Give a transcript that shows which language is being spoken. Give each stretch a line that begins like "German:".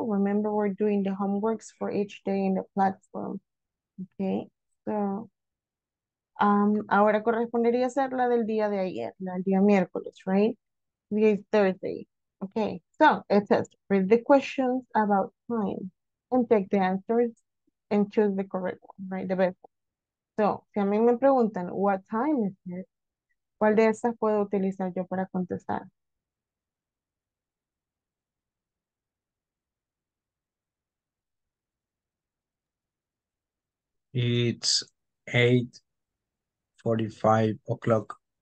English: Remember, we're doing the homeworks for each day in the platform. Okay, so.
Spanish: Ahora correspondería hacer la del día de ayer, la del día miércoles, right?
English: Today's Thursday. Okay, so it says read the questions about time and take the answers and choose the correct one, right? The best one.
Spanish: So, si a mí me preguntan,
English: what time is it?
Spanish: ¿Cuál de estas puedo utilizar yo para contestar?
English: It's 8:45 o'clock.